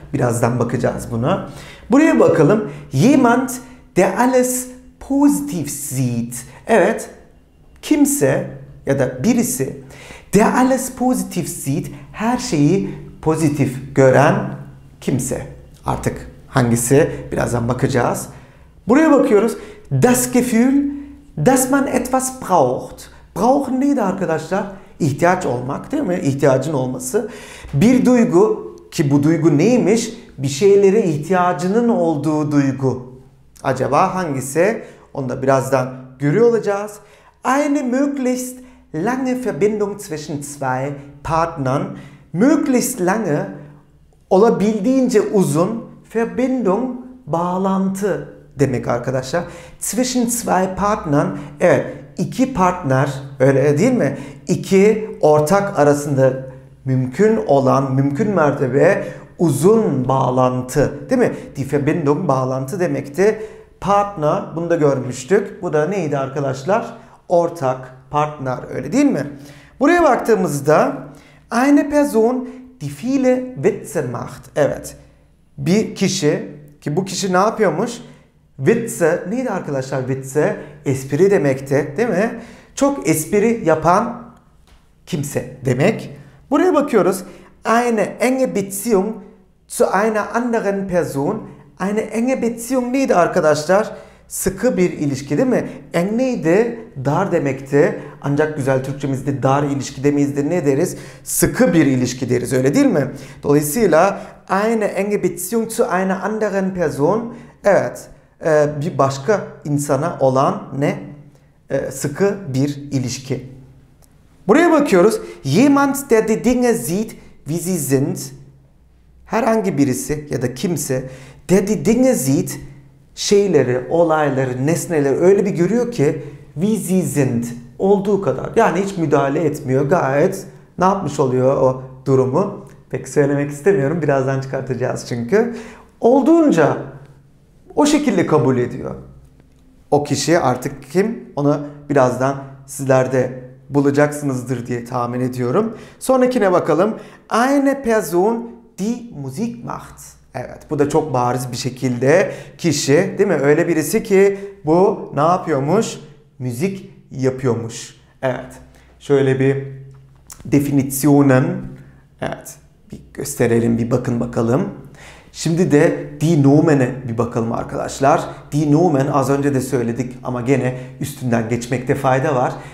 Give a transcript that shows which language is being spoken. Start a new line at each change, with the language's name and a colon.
Turkish: Birazdan bakacağız buna. Buraya bakalım.
German: Jemand, der alles positive sieht.
Turkish: Evet, kimse ya da birisi
German: der alles positiv sieht,
Turkish: her şeyi pozitif gören kimse. Artık hangisi, birazdan bakacağız. Buraya bakıyoruz.
German: Das Gefühl, dass man etwas braucht.
Turkish: Braucht neydi arkadaşlar? İhtiyaç olmak, değil mi? İhtiyacın olması. Bir duygu, ki bu duygu neymiş? Bir şeylere ihtiyacının olduğu duygu. Acaba hangisi? Onu da birazdan görüyor olacağız.
German: Eine möglichst lange Verbindung zwischen zwei Partnern.
Turkish: Möglichst lange, olabildiğince uzun. Verbindung, bağlantı demek arkadaşlar.
German: Zwischen zwei Partnern,
Turkish: evet, iki partner, öyle değil mi? İki ortak arasında mümkün olan, mümkün mertebe uzun bağlantı, değil mi? Die Verbindung, bağlantı demekti. Partner, bunu da görmüştük. Bu da neydi arkadaşlar? Ortak, partner, öyle değil mi? Buraya baktığımızda
German: eine Person, die viele Witze macht.
Turkish: Evet. Bir kişi, ki bu kişi ne yapıyormuş? Witze, neydi arkadaşlar Witze? Espri demekti, değil mi? Çok espri yapan kimse demek. Buraya bakıyoruz.
German: Eine enge Beziehung zu einer anderen Person. Eine enge Beziehung neydi arkadaşlar?
Turkish: Sıkı bir ilişki, değil mi? Eng neydi? Dar demekti. Ancak güzel Türkçemizde dar ilişki demeyizdi. Ne deriz? Sıkı bir ilişki deriz, öyle değil mi? Dolayısıyla
German: eine enge Beziehung zu einer anderen Person.
Turkish: Evet. Bir başka insana olan ne? Sıkı bir ilişki. Buraya bakıyoruz.
German: Jemand, der die Dinge sieht, wie sie sind.
Turkish: Herhangi birisi ya da kimse,
German: der die Dinge sieht,
Turkish: şeyleri, olayları, nesneleri öyle bir görüyor ki,
German: wie sie sind,
Turkish: olduğu kadar. Yani hiç müdahale etmiyor. Gayet ne yapmış oluyor o durumu? Pek söylemek istemiyorum. Birazdan çıkartacağız çünkü. Olduğunca o şekilde kabul ediyor. O kişi artık kim? Onu birazdan sizlerde bulacaksınızdır diye tahmin ediyorum. Sonrakine bakalım.
German: Eine Person, die Musik macht.
Turkish: Evet, bu da çok bariz bir şekilde kişi, değil mi? Öyle birisi ki bu ne yapıyormuş? Müzik yapıyormuş. Evet. Şöyle bir definitionen, evet, bir gösterelim, bir bakın bakalım. Şimdi de die Nomen'e bir bakalım arkadaşlar. Die Nomen, az önce de söyledik ama gene üstünden geçmekte fayda var.